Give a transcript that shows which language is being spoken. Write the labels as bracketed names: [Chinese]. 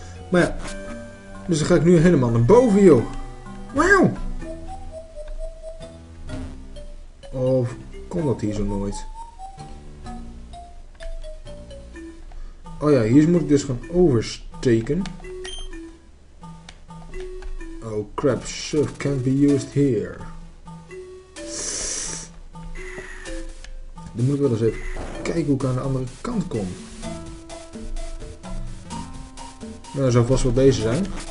[Dutch] Maar ja, dus dan ga ik nu helemaal naar boven, joh. Wauw! Of kon dat hier zo nooit? Oh ja, hier moet ik dus gaan oversteken. [English] Oh crap, surf can't be used here. [Dutch] Dan moet ik wel eens even kijken hoe ik aan de andere kant kom. Nou, dat zou vast wel deze zijn.